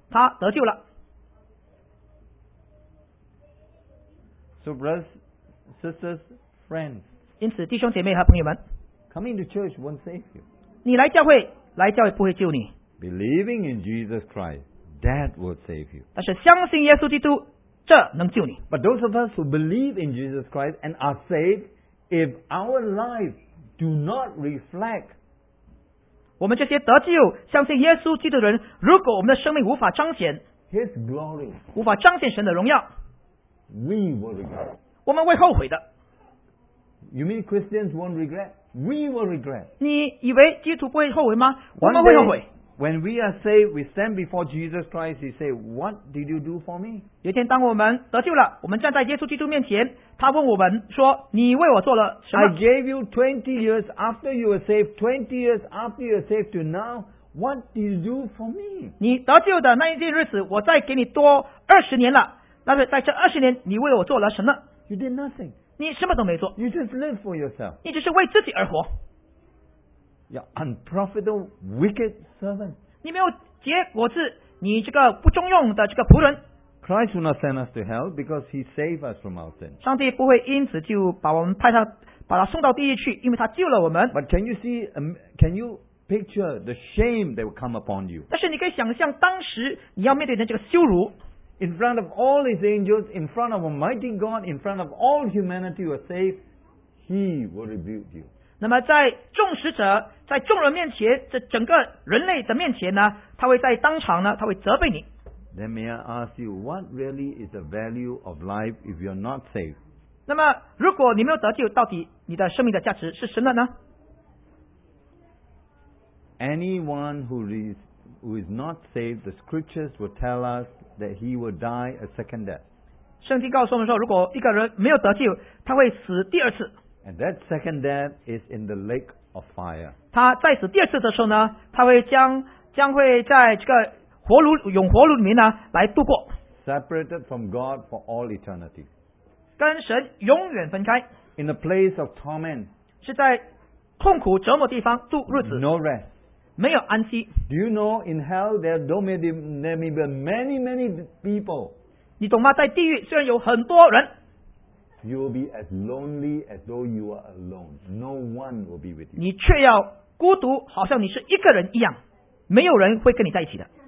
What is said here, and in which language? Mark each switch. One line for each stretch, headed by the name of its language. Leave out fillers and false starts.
Chinese: 他得救了。
English: So brothers, sisters, friends,
Chinese: 因此弟兄姐妹和朋友们，
English: coming to church won't save you.
Chinese: 你来教会，来教会不会救你。
English: Believing in Jesus Christ, that will save you.
Chinese: 但是相信耶稣基督，这能救你。
English: But those of us who believe in Jesus Christ and are saved, if our lives do not reflect
Chinese: 我们这些得救相信耶稣基督的人，如果我们的生命无法彰显
English: His glory,
Chinese: 无法彰显神的荣耀，
English: We will regret.
Chinese: 我们会后悔的。
English: You mean Christians won't regret? We will regret.
Chinese: 你以为基督徒不会后悔吗？我们会后悔。
English: One day, when we are saved, we stand before Jesus Christ, He say, What did you do for me?
Chinese: 有一天当我们得救了，我们站在耶稣基督面前，他问我们说，你为我做了什么？
English: I gave you 20 years after you were saved, 20 years after you were saved to now, what did you do for me?
Chinese: 你得救的那一天日子，我再给你多20年了，那么在这20年，你为我做了什么？
English: You did nothing.
Chinese: 你什么都没做。
English: You just live for yourself.
Chinese: 你只是为自己而活。
English: You're unprofitable, wicked servant.
Chinese: 你没有结果子，你这个不中用的这个仆人。
English: Christ will not send us to hell because He saved us from our sins.
Chinese: 上帝不会因此就把我们派他，把他送到地狱去，因为他救了我们。
English: But can you picture the shame that will come upon you?
Chinese: 但是你可以想象当时你要面对的这个羞辱。
English: In front of all His angels, in front of Almighty God, in front of all humanity who are saved, He will rebuke you.
Chinese: 那么在众使者，在众人面前，在整个人类的面前呢，他会在当场呢，他会责备你。
English: Then may I ask you, what really is the value of life if you are not saved?
Chinese: 那么如果你没有得救，到底你的生命的价值是什么呢？
English: Anyone who is not saved, the scriptures will tell us that he will die a second death.
Chinese: 圣经告诉我们说，如果一个人没有得救，他会死第二次。
English: And that second death is in the lake of fire.
Chinese: 他再死第二次的时候呢，他会将会在这个火炉永活炉里面呢来度过。
English: Separated from God for all eternity.
Chinese: 跟神永远分开。
English: In a place of torment.
Chinese: 是在痛苦折磨地方度日子。
English: No rest.
Chinese: 没有安息。
English: Do you know in hell there may be many, many people?
Chinese: 你懂吗？在地狱虽然有很多人。
English: You will be as lonely as though you are alone. No one will be with you.
Chinese: 你却要孤独，好像你是一个人一样，没有人会跟你在一起的。